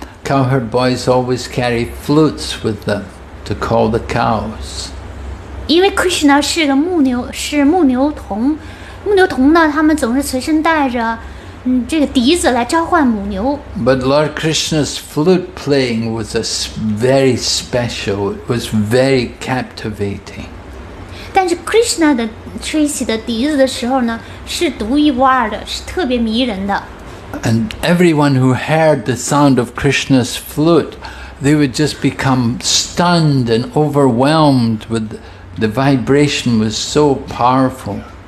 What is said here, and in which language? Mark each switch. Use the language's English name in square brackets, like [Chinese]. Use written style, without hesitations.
[English] Cowherd boys always carry flutes with them to call the cows. [Chinese] 因为Krishna是个牧牛，是牧牛童，牧牛童呢，他们总是随身带着这个笛子来召唤母牛。 [English] But Lord Krishna's flute playing was a very special. It was very captivating. [Chinese] 但是Krishna吹起的笛子的时候呢，是独一无二的，是特别迷人的。 [English] And everyone who heard the sound of Krishna's flute, they would just become stunned and overwhelmed with the vibration was so powerful.